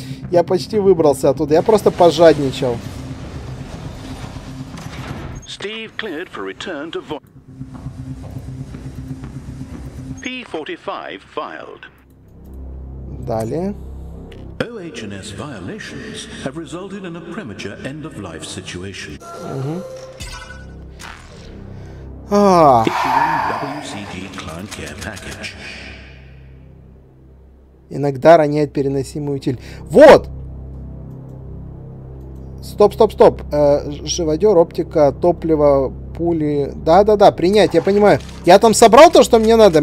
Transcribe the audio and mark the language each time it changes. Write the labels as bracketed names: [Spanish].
[Russian] Я почти выбрался оттуда, я просто пожадничал. [English] Steve cleared for return to voice. P45 filed. [Russian] Далее. [English] OH&S violations have resulted in a premature end-of-life situation. WCG client care package. [Russian] Иногда роняет переносимый утиль. Вот! Стоп, стоп, стоп. Живодер, оптика, топливо, пули. Да-да-да, принять, я понимаю. Я там собрал то, что мне надо?